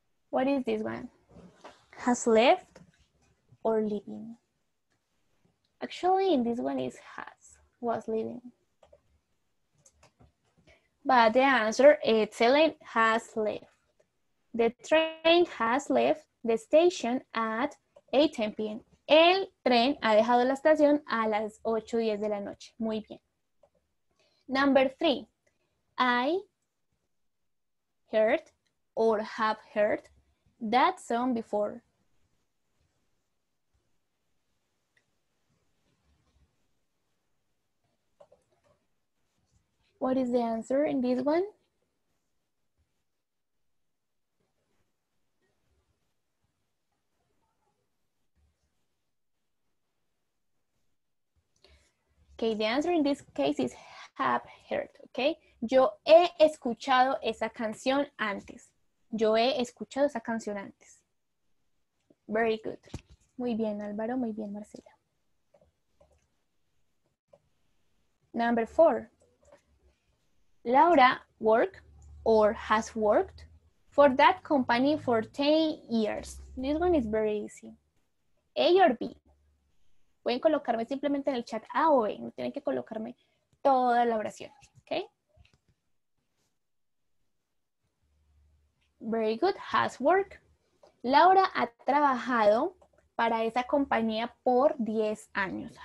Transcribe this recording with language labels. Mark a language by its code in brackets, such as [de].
[en] What is this one? Has left or leaving? Actually, in this one is has, was leaving. But the answer is has left. The train has left the station at 8:10 p.m. [es] El tren ha dejado la estación a las 8:10 de la noche. Muy bien. [en] Number three. I heard or have heard that song before. What is the answer in this one? Okay, the answer in this case is have heard, okay? [es] Yo he escuchado esa canción antes. Yo he escuchado esa canción antes. [en] Very good. [es] Muy bien, Álvaro. Muy bien, Marcela. [en] Number four. Laura worked or has worked for that company for 10 years. This one is very easy. A or B. [es] Pueden colocarme simplemente en el chat A o B. No tienen que colocarme toda la oración. ¿Ok? [en] Very good, has worked. [es] Laura ha trabajado para esa compañía por 10 años.